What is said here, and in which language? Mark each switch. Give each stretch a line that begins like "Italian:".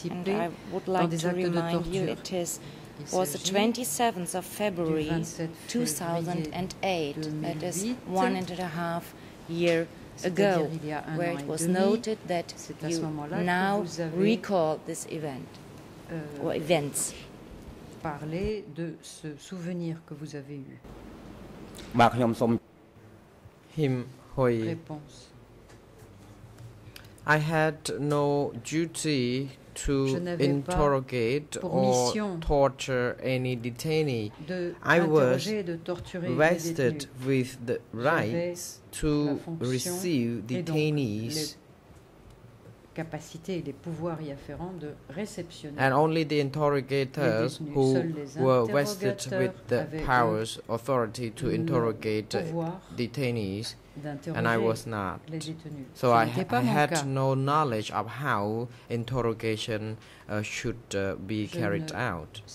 English: And I would like to remind you it was the 27th of February 2008, that is 1.5 years ago, where it was noted that you now recall this event or events.
French: Parler de ce souvenir que vous avez eu.
English: Him Huy.
French: Réponse.
English: I had no duty to interrogate or torture any detainee. I was vested with the right to receive detainees.
French: Capacité et les pouvoirs y afférents de réceptionner.
English: And only the interrogators who were vested with the powers, authority to interrogate detainees, and I was not. So I had no knowledge of how interrogation should be carried out.